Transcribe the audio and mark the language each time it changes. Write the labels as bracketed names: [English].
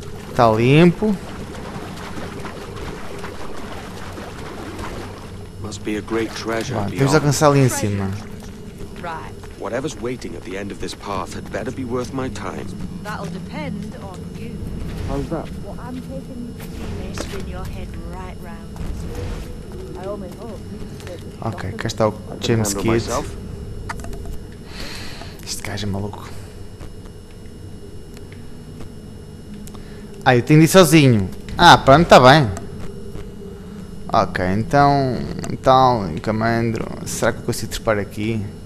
[Portuguese] Está limpo. [English] Must be a great treasure. [Portuguese] Bom, temos de alcançar ali em cima. [English] Whatever's waiting at the end of this path had better be worth my time. That'll depend on you. How's that? What I'm taking may spin your head right round. I only hope. [Portuguese] Okay, cá está o James Kidd. Este gajo é maluco. Ah, eu tenho de ir sozinho. Ah, pronto, está bem. Ok, então. Então, Camandro, será que eu consigo trepar aqui?